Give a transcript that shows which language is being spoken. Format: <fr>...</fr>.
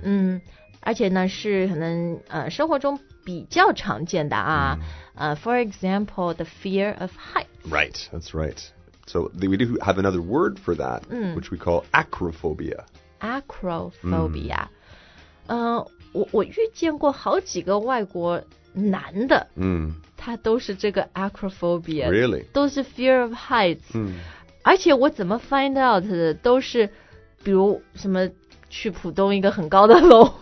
<zh>嗯而且呢是可能生活中比较常见的啊、mm.</zh> <en>For example, the fear of heights. Right, that's right. So we do have another word for that,、 mm. which we call acrophobia. Acrophobia.、Mm.</en> <zh>我遇见过好几个外国男的、 mm. 他都是这个 acrophobia</zh> <en>really</en> <zh>都是</zh> <en>fear of heights、 mm.</en> <zh>而且我怎么</zh> <en>find out</en> <zh>的都是比如什么去浦东一个很高的楼、</zh>